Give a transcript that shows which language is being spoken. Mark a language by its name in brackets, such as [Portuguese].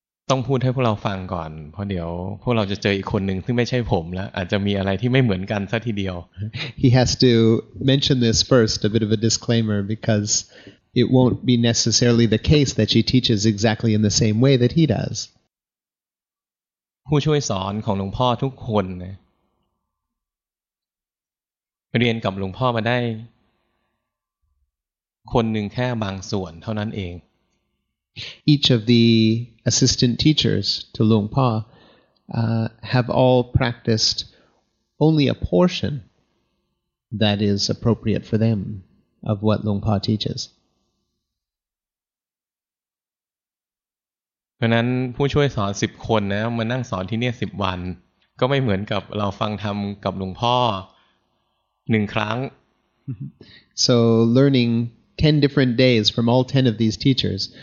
[Thai] ต้องพูดให้พวกเราฟังก่อนเพราะเดี๋ยวพวกเราจะเจออีกคนหนึ่งซึ่งไม่ใช่ผมแล้วอาจจะมีอะไรที่ไม่เหมือนกันซะทีเดียว [English] He has to mention this first, a bit of a disclaimer, because it won't be necessarily the case that she teaches exactly in the same way that he does. [Thai] ผู้ช่วยสอนของหลวงพ่อทุกคนเรียนกับหลวงพ่อมาได้คนหนึ่งแค่บางส่วนเท่านั้นเอง [English] Each of the assistant teachers to Lungpa have all practiced only a portion that is appropriate for them of what Lungpa teaches. [Thai] เพราะนั้นผู้ช่วยสอน10คนนะมานั่งสอนที่นี่10วันก็ไม่เหมือนกับเราฟังธรรมกับหลวงพ่อ1ครั้ง [English] So learning 10 different days from all 10 of these teachers.